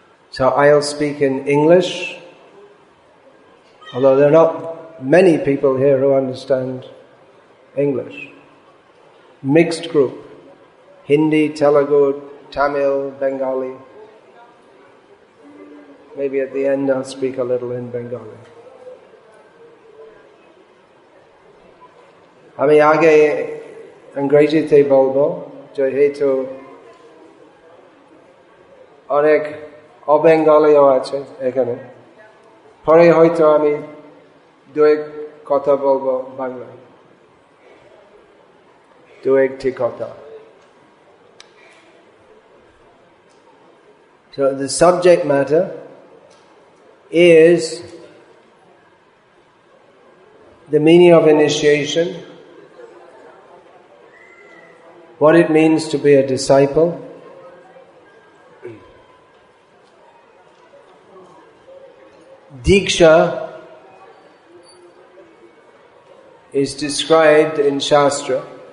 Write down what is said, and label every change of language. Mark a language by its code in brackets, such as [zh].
[en] So I'll speak in English, although there are not many people here who understand English. Mixed group, Hindi, Telugu, Tamil, Bengali. Maybe at the end I'll speak a little in Bengali. [bn] Ami age angrejite bolbo, jehetu onek অবেঙ্গলিও আছে এখানে, পরে হয়তো আমি দু এক কথা বলব বাংলায়, দু একটি কথা। [en] So the subject matter is the meaning of initiation, what it means to be a disciple, Diksha is described in Shastra.